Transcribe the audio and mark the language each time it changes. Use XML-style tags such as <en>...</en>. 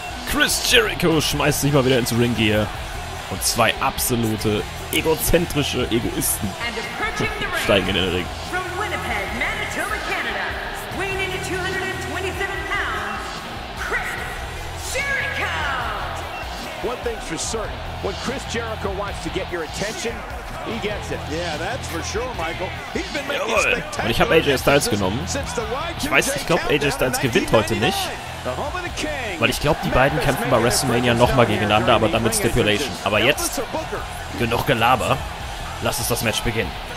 <de>Chris Jericho schmeißt sich mal wieder ins Ringgear und zwei absolute egozentrische Egoisten steigen in den Ring.</de> <en>From Winnipeg, Manitoba, Canada, weighing in at 227 pounds, Chris Jericho! One thing's for certain, when Chris Jericho wants to get your attention, he gets it. Yeah, that's for sure, Michael. He's been making spectacular.</en> <de>Und ich habe AJ Styles genommen. Ich weiß, ich glaube, AJ Styles gewinnt heute nicht. Weil ich glaube, die beiden kämpfen bei WrestleMania nochmal gegeneinander, aber dann mit Stipulation. Aber jetzt, genug Gelaber, lass uns das Match beginnen.</de>